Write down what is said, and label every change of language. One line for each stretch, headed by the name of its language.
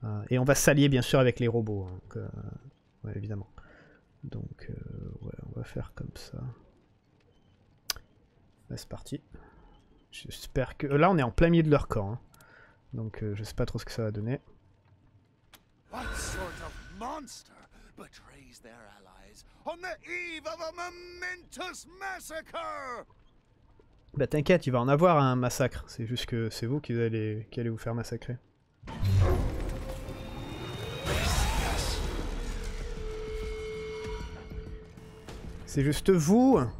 French: Et on va s'allier bien sûr avec les robots. Hein, donc, ouais, évidemment. Donc, ouais, on va faire comme ça. Là, c'est parti. J'espère que... Là, on est en plein milieu de leur camp. Hein. Donc, je sais pas trop ce que ça va donner.
English: What sort of monster betrays their allies on the eve of a momentous massacre?
French: Bah t'inquiète, il va en avoir un massacre. C'est juste que c'est vous qui allez vous faire massacrer. C'est juste vous.